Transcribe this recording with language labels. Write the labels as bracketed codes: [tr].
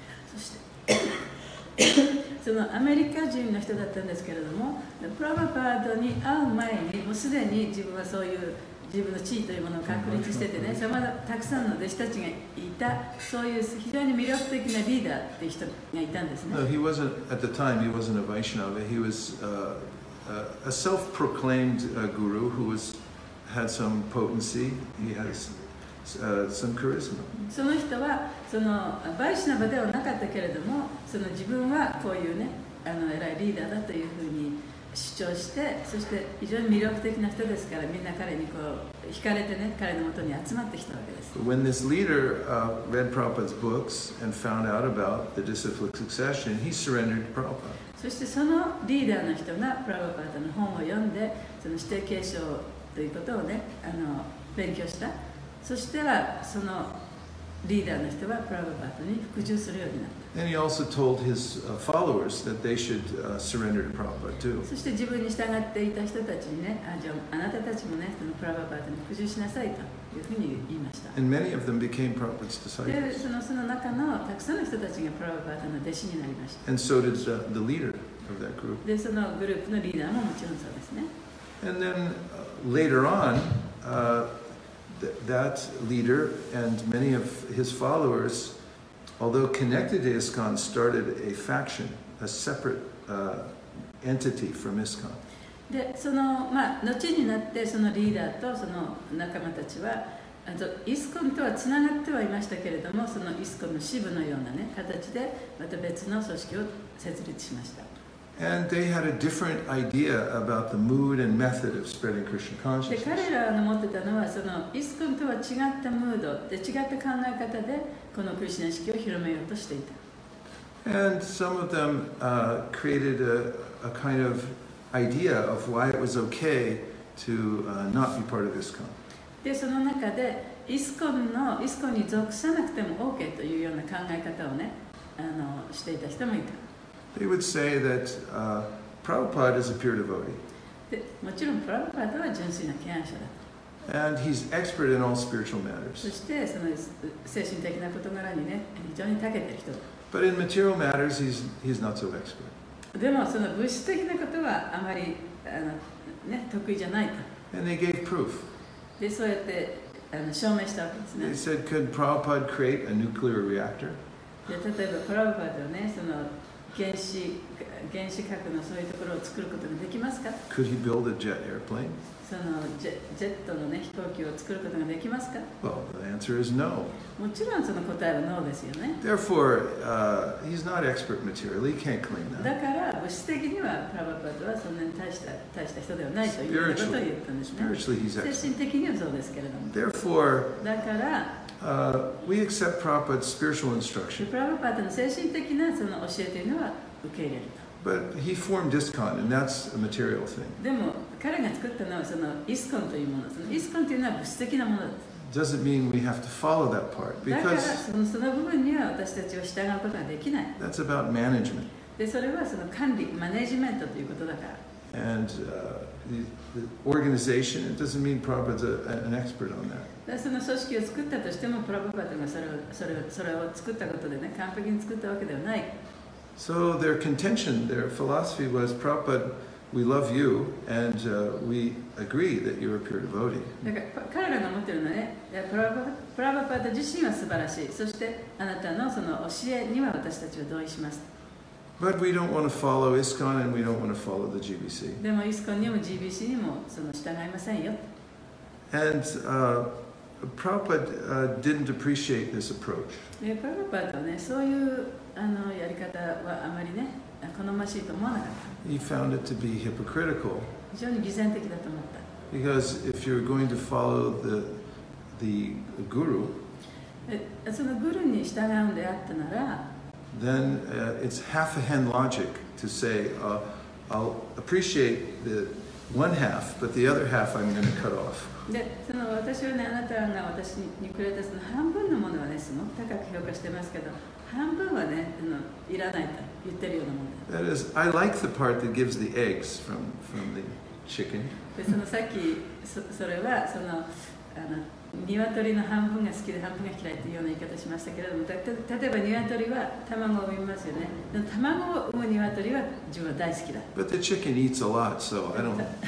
[ja] そして、そのアメリカ人の人だったんですけれども、プラバパードに会う前にもうすでに自分はそういう自分の地位というものを確立しててね、そのまだたくさんの弟子たちがいた、そういう非常に魅力的なリーダーという人がいたんですね。 [en] No, he wasn't at the time. He wasn't a Vaishnava. He was a self-proclaimed guru who was had some potency. He has some charisma. [ja] その人はそのバイシナバではなかったけれども、その自分はこういうね、あの偉いリーダーだというふうに。主張して、そして非常に魅力的な人ですから、みんな彼にこう惹かれてね、彼のもとに集まってきたわけです。 [en] When this leader read Prabhupada's books and found out about the disciplic succession, he surrendered to Prabhupada. [ja] そしてそのリーダーの人がプラヴァパーダの本を読んで、その指定継承ということをね、あの勉強した。そしてはそのリーダーの人はプラヴァパーダに服従するようになった。 [en] Then he also told his followers that they should surrender to Prabhupada too. [ja] そして自分に従っていた人たちにね、あ、じゃあ、あなたたちもね、そのプラヴァパーダに服従しなさいというふうに言いました。 [en] And many of them became Prabhupada's disciples. [ja] で、その中のたくさんの人たちがプラヴァパーダの弟子になりました。 [en] And so did the leader of that group. [ja] で、そのグループのリーダーももちろんそうですね。 [en] And then later on, that leader and many of his followers. Although connected to ISKCON, started a faction, a separate entity from ISKCON. [ja] で、その、まあ、後になってそのリーダーとその仲間たちは、あと、ISKCONとはつながってはいましたけれども、そのISKCONの支部のようなね、形でまた別の組織を設立しました。 [en] And they had a different idea about the mood and method of spreading Krishna consciousness. [ja] で、彼らの持ってたのはそのISKCONとは違ったムードで違った考え方でこのクリシナ意識を広めようとしていた。 [en] And some of them created a kind of idea of why it was okay to not be part of ISKCON. [ja] で、その中でISKCONに属さなくても OK というような考え方をね、あのしていた人もいた。 [en] They would say that Prabhupada is a pure devotee. [ja] もちろんプラヴァパーダは純粋な権威者だ。 [en] And he's expert in all spiritual matters. [ja] そしてその精神的な事柄にね、非常に長けてる人。 [en] But in material matters, he's not so expert. [ja] でもその物質的なことはあまりあの、ね、得意じゃないと。 [en] And they gave proof. [ja] で、そうやってあの証明したわけですね。 [en] They said, could Prabhupada create a nuclear reactor? [ja] で、例えばプラヴァパーダはね、その原子核のそういうところを作ることができますか? [en] Could he build a jet airplane? [ja] そのジェットの、ね、飛行機を作ることができますか? [en] Well, the answer is no. [ja] もちろんその答えはノーですよね。 [en] Therefore, he's not expert material. He can't claim that. [ja] だから物質的にはプラヴァパーダはそんなに大した人ではないということを言ったんですね。 [en] Spiritually, he's expert. [ja] 精神的にはそうですけれども。 [en] Therefore, [ja] だから [en] We accept Prabhupada's spiritual instruction. [ja] Prabhupada の精神的なその教えというのは受け入れると。 [en] But he formed ISKCON, and that's a material thing. [ja] でも彼が作ったのはそのISKCONというもの。そのISKCONというのは物質的なものです。 [en] Doesn't mean we have to follow that part. Because [ja] だからその部分には私たちは従うことができない。 [en] That's about management. [ja] で、それはその管理、マネジメントということだから。 [en] And the organization, it doesn't mean Prabhupada's an expert on that. [ja] その組織を作ったとしても、プラヴァパーダがそれを作ったことでね、完璧に作ったわけではない。 [en] So their contention, their philosophy was, Prabhupada, we love you, and we agree that you're a pure devotee. [ja] だから彼らが持ってるのはね、プラヴァパーダ自身は素晴らしい。そしてあなたのその教えには私たちは同意します。 [en] But we don't want to follow ISKCON and we don't want to follow the GBC. [ja] でも ISKCON にも GBC にもその従いませんよ。 [en] And Prabhupada didn't appreciate this approach. [ja] Prabhupada ね、そういうあのやり方はあまりね、好ましいと思わなかった。 [en] He found it to be hypocritical. [ja] 非常に偽善的だと思った。 [en] Because if you're going to follow the guru, [ja] そのグルに従うんであったなら、 [en] then it's half a hen logic to say, I'll appreciate the one half, but the other half I'm going to cut off. [ja] で、その私はね、あなたが私にくれたその半分のものはね、すごく高く評価してますけど、半分はね、いらないと言ってるようなもの。 [en] That is, I like the part that gives the eggs from the chicken. [ja] で、そのさっき、それはその、鶏の半分が好きで半分が嫌いというような言い方をしましたけれども、例えば鶏は卵を産みますよね。で、卵を産む鶏は自分は大好きだ。 [en] But the chicken eats a lot, so I don't...